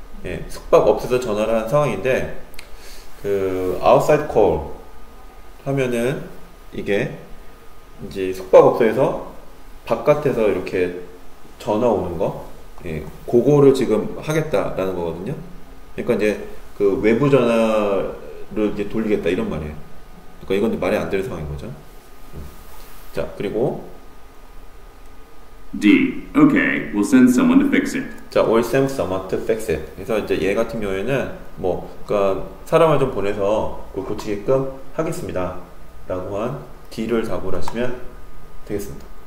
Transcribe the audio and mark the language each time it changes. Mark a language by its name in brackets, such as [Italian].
[Korean] 예, 숙박업소에서 전화를 한 상황인데 그 outside call 하면은 이게 이제 숙박업소에서 바깥에서 이렇게 전화 오는 거, 예, 그거를 지금 하겠다라는 거거든요. 그러니까 이제 그 외부 전화를 이제 돌리겠다 이런 말이에요. 그러니까 이건 이제 말이 안 되는 상황인 거죠. 자, 그리고 [English] D. Okay, we'll send someone to fix it. [Korean] 자, [English] we'll send someone to fix it. [Korean] 그래서 이제 얘 같은 경우에는 뭐, 그러니까 사람을 좀 보내서 그걸 고치게끔 하겠습니다라고 한 D를 답을 하시면 되겠습니다.